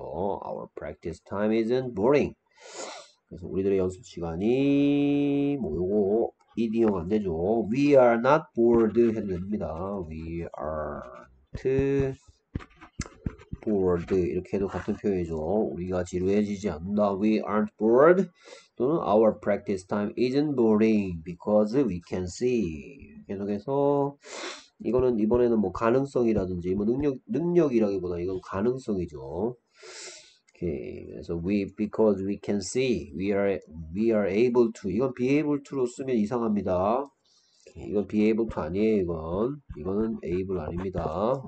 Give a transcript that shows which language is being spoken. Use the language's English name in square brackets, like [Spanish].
[English] Our practice time isn't boring. [Korean] 그래서 우리들의 연습 시간이 뭐 요거 ED형 안 되죠. [English] We are not bored [Korean] 해도 됩니다. [English] We aren't bored [Korean] 이렇게 해도 같은 표현이죠. 우리가 지루해지지 않는다. [English] We aren't bored 또는 Our practice time isn't boring because we can see. [Korean] 계속해서 이거는 이번에는 뭐 가능성이라든지 뭐 능력이라기보다 이건 가능성이죠. 오케이. 그래서 [English] because we can see we are able to [Korean] 이건 [English] be able to [Korean] 로 쓰면 이상합니다. 오케이. 이건 [English] be able to [Korean] 아니에요. 이거는 able 아닙니다.